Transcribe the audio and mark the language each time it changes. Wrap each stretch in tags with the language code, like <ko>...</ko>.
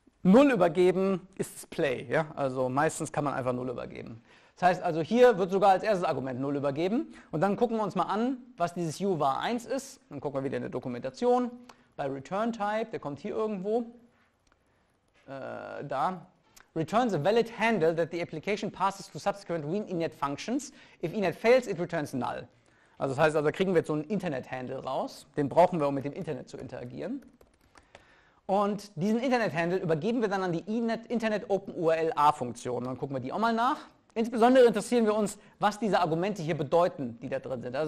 <de>Null übergeben ist Play. Ja? Also meistens kann man einfach Null übergeben. Das heißt also, hier wird sogar als erstes Argument Null übergeben. Und dann gucken wir uns mal an, was dieses UVar1 ist. Dann gucken wir wieder in der Dokumentation. Bei Return Type, der kommt hier irgendwo. Da.</de> <en>Returns a valid handle that the application passes to subsequent init functions. If init fails, it returns null.</en> <de>Also das heißt, also kriegen wir jetzt so einen Internet-Handle raus. Den brauchen wir, um mit dem Internet zu interagieren. Und diesen Internet-Handle übergeben wir dann an die Internet-Open-URL-A-Funktion. Dann gucken wir die auch mal nach. Insbesondere interessieren wir uns, was diese Argumente hier bedeuten, die da drin sind.</de>